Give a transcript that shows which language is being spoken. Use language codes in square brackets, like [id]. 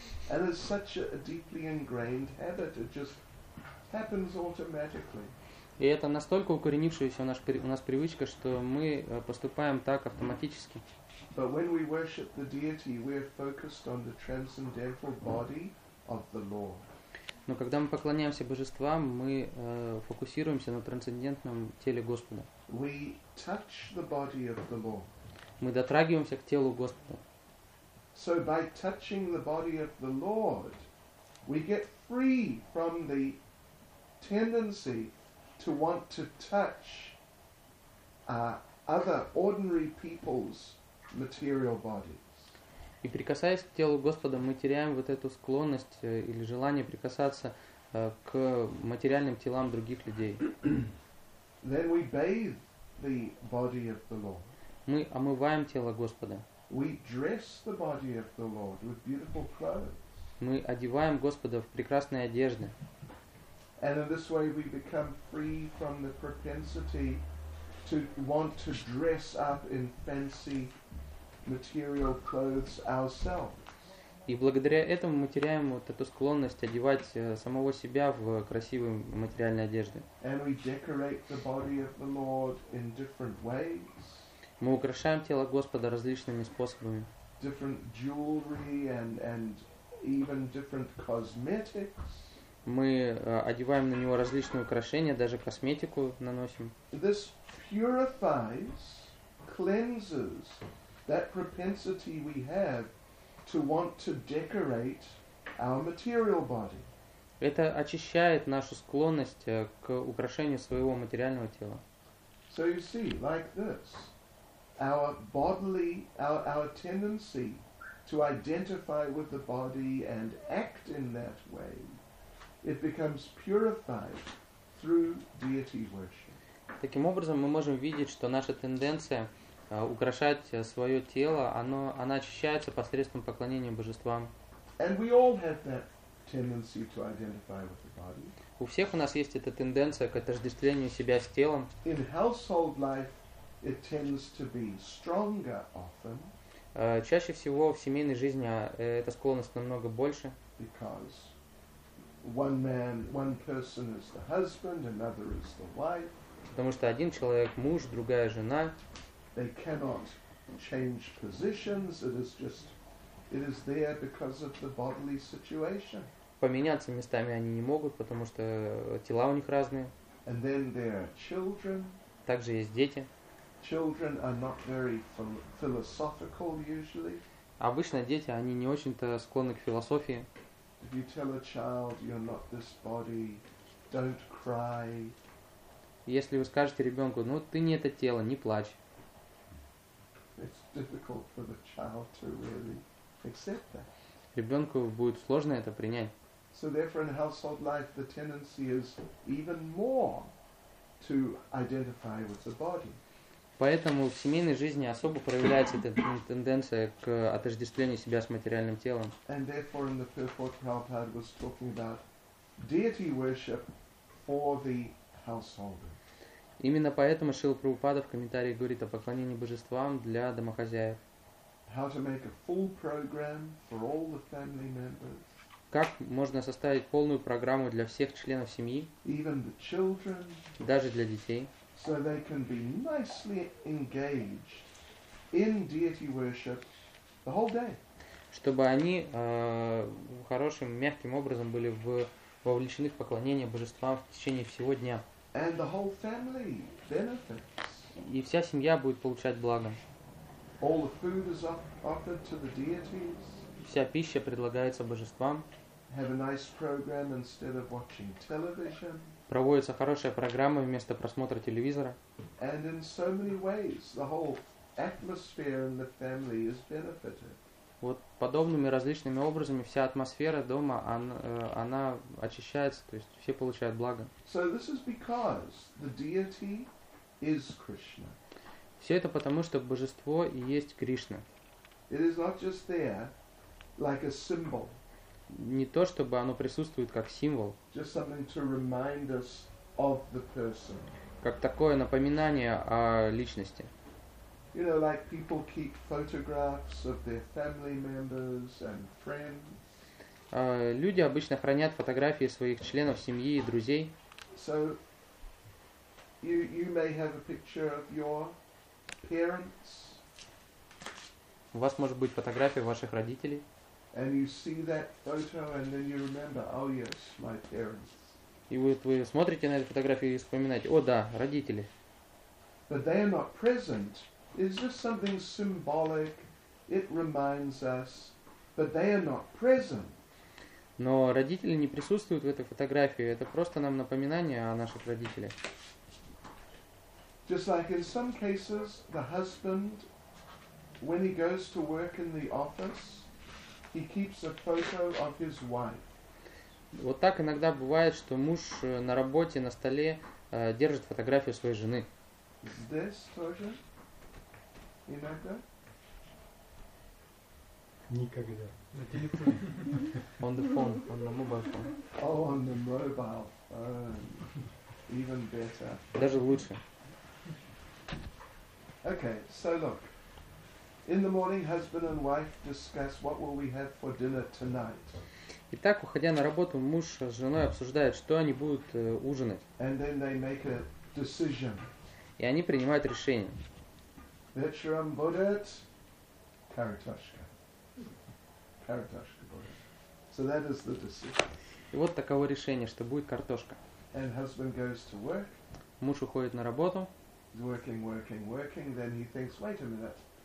[en] And it's such a deeply ingrained habit, it just happens automatically. [ru] И это настолько укоренившаяся у нас привычка, что мы поступаем так автоматически. [en] But when we worship the deity, we are focused on the transcendental body of the Lord. [ru] Но когда мы поклоняемся божествам, мы фокусируемся на трансцендентном теле Господа. [en] We touch the body of the Lord. [ru] Мы дотрагиваемся к телу Господа. [en] So by touching the body of the Lord, we get free from the tendency to want to touch other ordinary people's material bodies. [ru] И прикасаясь к телу Господа, мы теряем вот эту склонность или желание прикасаться к материальным телам других людей. [en] Then we bathe the body of the Lord. [ru] Мы омываем тело Господа. [en] We dress the body of the Lord with beautiful clothes. [ru] Мы одеваем Господа в прекрасные одежды. [en] And in this way we become free from the propensity to want to dress up in fancy material clothes ourselves. [ru] И благодаря этому мы теряем вот эту склонность одевать самого себя в красивые материальные одежды. [en] And we decorate the body of the Lord in different ways. [ru] Мы украшаем тело Господа различными способами. [en] Different jewelry and even different cosmetics. [ru] Мы одеваем на него различные украшения, даже косметику наносим. [en] This purifies, cleanses that propensity we have to want to decorate our material body. [ru] Это очищает нашу склонность к украшению своего материального тела. [en] So you see, like this, our bodily, our tendency to identify with the body and act in that way, it becomes purified through deity worship. [ru] Таким образом, мы можем видеть, что наша тенденция украшать свое тело, она очищается посредством поклонения божествам. [en] And we all have that tendency to identify with the body. [ru] У всех у нас есть эта тенденция к отождествлению себя с телом. [en] In household life, it tends to be stronger often. [ru] Чаще всего в семейной жизни эта склонность намного больше. [en] Because one man, one person is the husband, another is the wife. [ru] Потому что один человек муж, другая жена. [en] They cannot change positions. It is there because of the bodily situation. [ru] Поменяться местами они не могут, потому что тела у них разные. [en] And then there are children. [ru] Также есть дети. [en] Children are not very philosophical usually. [ru] Обычно дети, они не очень-то склонны к философии. [en] If you tell a child, you're not this body, don't cry. [ru] Если вы скажете ребенку, ну ты не это тело, не плачь. [en] It's difficult for the child to really accept that. [ru] Ребенку будет сложно это принять. [en] So therefore in household life the tendency is even more to identify with the body. [ru] Поэтому в семейной жизни особо проявляется эта тенденция к отождествлению себя с материальным телом. [en] And therefore in the purport Prabhupada was talking about deity worship for the householder. [ru] Именно поэтому Шрила Прабхупада в комментарии говорит о поклонении божествам для домохозяев. [en] How to make a full program for all the family members. [ru] Как можно составить полную программу для всех членов семьи, [en] even the children, [ru] даже для детей, [en] so they can be nicely engaged in deity worship the whole day. [ru] Чтобы они хорошим, мягким образом были вовлечены в поклонение божествам в течение всего дня. [en] And the whole family benefits. [ru] И вся семья будет получать благо. [en] All the food is offered to the deities. [ru] Вся пища предлагается божествам. [en] Have a nice program instead of watching television. [ru] Проводится хорошая программа вместо просмотра телевизора. [en] And in so many ways, the whole atmosphere in the family is benefited. [ru] Вот подобными различными образами вся атмосфера дома, она очищается, то есть все получают благо. [en] So this is because the deity is Krishna. [ru] Все это потому, что божество и есть Кришна. [en] It is not just there, like a symbol. [ru] Не то, чтобы оно присутствует как символ. [en] Just something to remind us of the person. [ru] Как такое напоминание о личности. [en] You know, like people keep photographs of their family members and friends. [ru] Люди обычно хранят фотографии своих членов семьи и друзей. [en] So, you may have a picture of your parents. [ru] У вас может быть фотография ваших родителей. [en] And you see that photo and then you remember, oh yes, my parents. [ru] И вот вы смотрите на эту фотографию и вспоминаете, о да, родители. [en] But they are not present. It's just something symbolic. It reminds us, but they are not present. [ru] Но родители не присутствуют в этой фотографии. Это просто нам напоминание о наших родителях. [en] Just like in some cases, the husband, when he goes to work in the office, he keeps a photo of his wife. [ru] Вот так иногда бывает, что муж на работе на столе держит фотографию своей жены. [en] This [ru] тоже. [en] You know that? [ru] Никогда. На телефоне. [en] On the phone, on the mobile phone. Oh, on the mobile phone. Even better. [ru] Даже лучше. [en] Okay, so look. In the morning, husband and wife discuss what will we have for dinner tonight. [ru] Итак, уходя на работу, муж с женой обсуждают, что они будут ужинать. [en] And then they make a decision. [ru] И они принимают решение. Вечером будет каратошка. Каратошка будет. [en] So that is the decision. [ru] И вот таково решение, что будет картошка. [en] And husband goes to work. [ru] Муж уходит на работу. [en] He's working, working, working. Then he thinks, wait a minute.